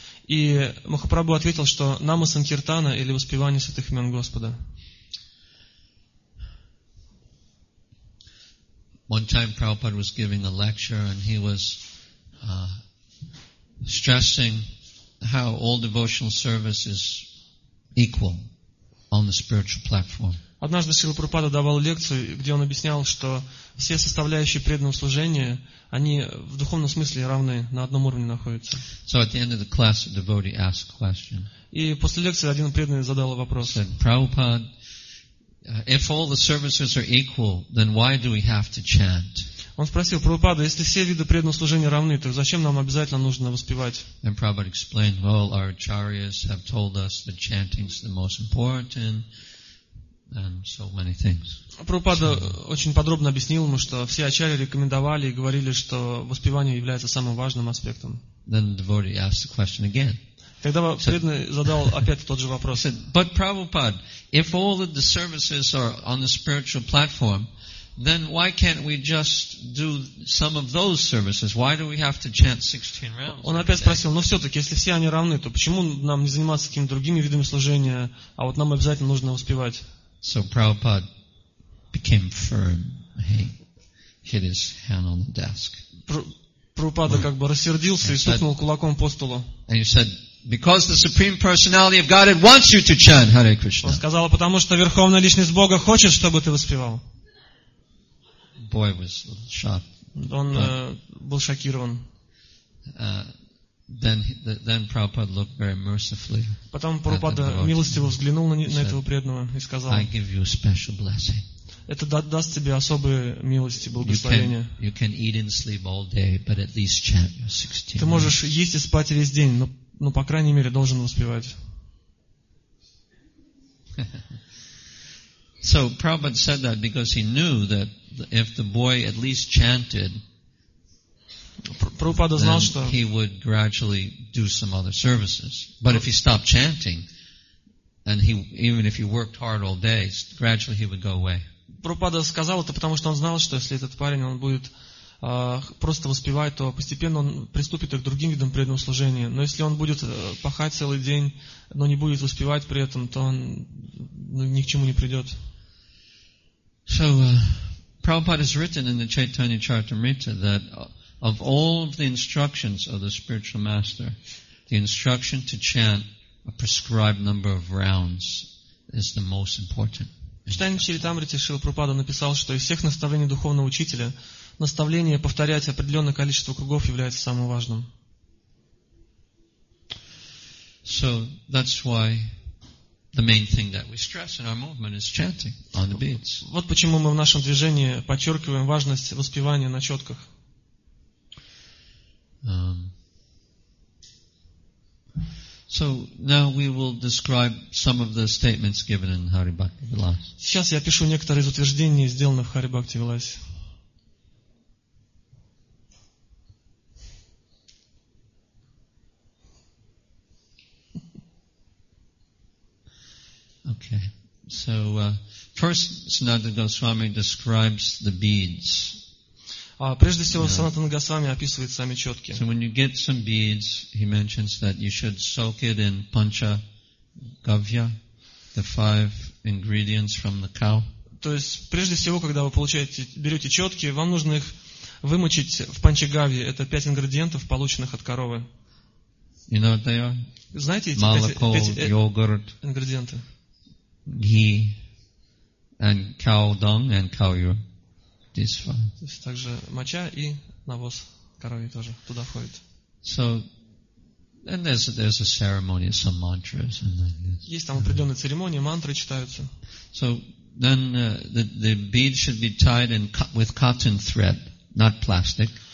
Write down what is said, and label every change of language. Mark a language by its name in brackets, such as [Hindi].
[Russian] И Махапрабху ответил, что Нама Санкиртана или воспевание святых имен Господа. [English] One time Prabhupada was giving a lecture and he was stressing how all devotional service is equal on the spiritual platform. [Russian] Однажды Шрила Прабхупада давал лекцию, где он объяснял, что все составляющие преданного служения, они в духовном смысле равны, на одном уровне находятся. [English] So at the end of the class, a devotee asked a question. [Russian] И после лекции один преданный задал вопрос. [English] Said, Prabhupada, if all the services are equal, then why do we have to chant? [Russian] Он спросил Прабхупада, если все виды преданного служения равны, то зачем нам обязательно нужно воспевать? [English] And Prabhupada explained, well, our acharyas have told us that chanting is the most important, and so many things. [Russian] Прабхупада очень подробно объяснил ему, что все ачарьи рекомендовали и говорили, что воспевание является самым важным аспектом. [English] Then the devotee asked the question again. [Russian] Тогда преданный задал опять тот же вопрос. [English] Said, but Prabhupada, if all of the services are on the spiritual platform, then why can't we just do some of those services? Why do we have to chant 16 rounds? [Russian] Он опять спросил, но все-таки, если все они равны, то почему нам не заниматься какими-то другими видами служения, а вот нам обязательно нужно воспевать? [English] So Prabhupada became firm. He hit his hand on the desk. [Russian] Прабхупада как бы рассердился и стукнул кулаком по столу. [English] And he said, because the Supreme Personality of Godhead wants you to chant Hare Krishna. [Russian] Он сказал, потому что Верховная Личность Бога хочет, чтобы ты воспевал. [English] Boy was shocked. [Russian] Он был шокирован. [English] Then Prabhupada looked very mercifully. [Russian] Потом Прабхупада милостиво взглянул на этого преданного и сказал, [English] I give you a special blessing. [Russian] Это даст тебе особые милости, благословения. [English] You can eat and sleep all day, but at least chant your 16. [Russian] Ты можешь есть и спать весь день, но по крайней мере должен воспевать. [English] So Prabhupada said that because he knew that if the boy at least chanted, [Russian] Prabhupada знал, что [English] he would gradually do some other services. But if he stopped chanting, and he even if he worked hard all day, gradually he would go away. [Russian] Прабхупада сказал это, потому что он знал, что если этот парень он будет просто воспевать, то постепенно он приступит и к другим видам преданного служения. Но если он будет пахать целый день, но не будет воспевать при этом, то он ни к чему не придет. [English] So, Prabhupada has written in the Chaitanya Charitamrita that of all of the instructions of the spiritual master, the instruction to chant a prescribed number of rounds is the most important. [Russian] Читание Чаритамриты Шрила Прабхупада написал, что из всех наставлений духовного учителя наставление повторять определенное количество кругов является самым важным. [English] So that's why the main thing that we stress in our movement is chanting on the beats. [Russian] Вот почему мы в нашем движении подчеркиваем важность воспевания на четках. [English] So now we will describe some of the statements given in Hari Bhakti Vilas. [Russian] Сейчас я пишу некоторые из утверждений, сделанных в Hari Bhakti Vilas. [English] Okay. So first Sanatana Goswami describes the beads. [Russian] Прежде всего, Санатана Госвами описывает сами четки. [English] So when you get some beads, he mentions that you should soak it in pancha gavya, the five ingredients from the cow. [Russian] То есть, прежде всего, когда вы получаете, берете четки, вам нужно их вымочить в панча гавье. Это пять ингредиентов, полученных от коровы. [English] You know what they are? [Russian] Знаете эти молоко, пять йогурт, ингредиенты? [English] Ghee and cow dung and cow urine. This one. [Russian] Также моча и навоз коровьи тоже туда входит. [English] So, and there's a ceremony, some mantras, and then. [Russian] Есть там определенные церемонии, мантры читаются. [English] So then the beads should be tied in with cotton thread, not plastic.